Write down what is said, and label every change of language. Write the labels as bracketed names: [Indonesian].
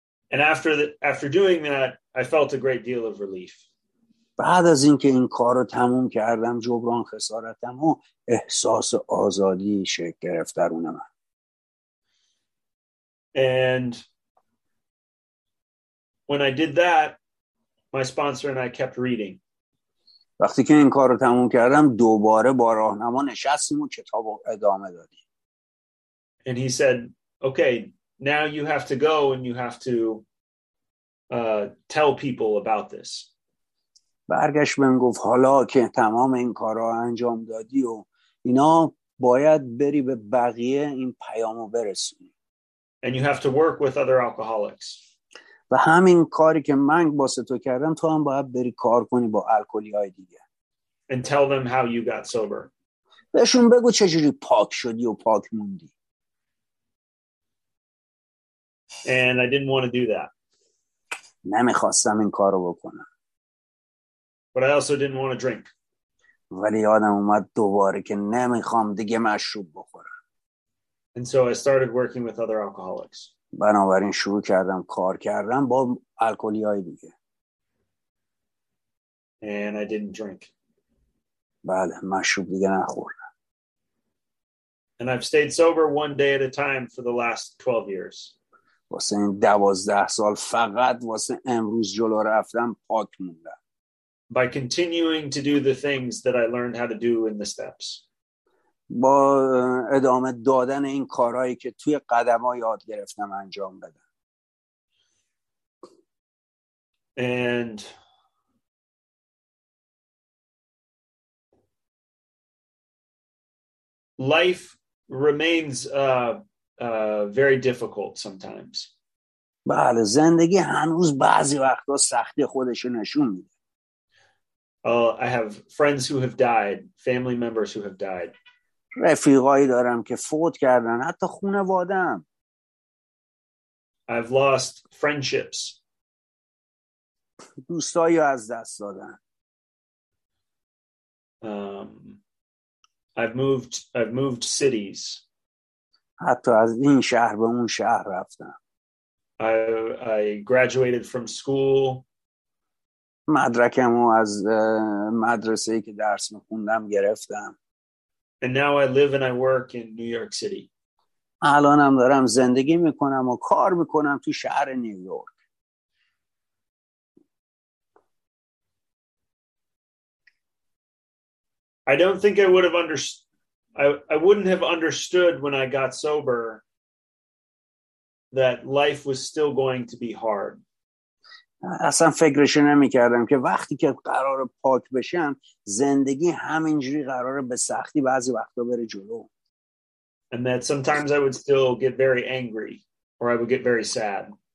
[English] And after doing that, I felt a great deal of relief. [Persian] بعد از اینکه این کارو تموم کردم جبران خسارتم و احساس آزادی شکل گرفت درون من. [English] And when I did that, my sponsor and I kept reading. [Persian] وقتی که این کار رو تموم کردم دوباره با راهنما نشستیم و کتاب رو ادامه دادیم. [English] And he said, okay, now you have to go and you have to tell people about this. [Persian] برگشت بهم گفت حالا که تمام این کار رو انجام دادی و اینا با باید بری به بقیه این پیامو برسونی. [English] And you have to work with other alcoholics. [Persian] و همین کاری که من با تو کردم تو هم باید بری کار کنی با الکلی‌های دیگه. [English] And tell them how you got sober. [Persian] بهشون بگو چجوری پاک شدی و پاک موندی. [English] And I didn't want to do that. [Persian] نمیخواستم این کارو بکنم. [English] But I also didn't want to drink. [Persian] ولی یادم اومد دوباره که نمیخوام دیگه مشروب بخورم. [English] And so I started working with other alcoholics. [Persian] بنابراین شروع کردم کار کردم با الکلی‌های دیگه. [English] And I didn't drink. [Persian] بله مشروب دیگه نخوردم. [English] And I've stayed sober one day at a time for the last 12 years. [Persian] واسه این 12 سال فقط واسه امروز جلو رفتم پاک موندم. [English] By continuing to do the things that I learned how to do in the steps. [Persian] با ادامه دادن این کارهایی که توی قدم‌ها یاد گرفتم انجام بدم. [English] And life remains very difficult sometimes. [Persian] بله زندگی هنوز بعضی وقتا سختی خودشو نشون میده. [English] I have friends who have died, family members who have died. [Persian] رفیقایی دارم که فوت کردن، حتی خانواده‌ام. [English] I've lost friendships. [Persian] دوستایی از دست دادم. [English] I've moved cities. [Persian] حتی از این شهر به اون شهر رفتم. [English] I graduated from school. [Persian] مدرکمو از مدرسه‌ای که درس می‌خوندم گرفتم. [English] And now I live and I work in New York City. [Persian] الانم دارم زندگی می‌کنم و کار می‌کنم تو شهر نیویورک. [English] I don't think I would have I wouldn't have understood when I got sober that life was still going to be hard. [Persian] اصلا فکرش نمی کردم که وقتی که قرار پاک بشم زندگی همینجوری قراره به سختی بعضی وقتا بره جلو. [English] And that sometimes I would still get very angry or I would get very sad.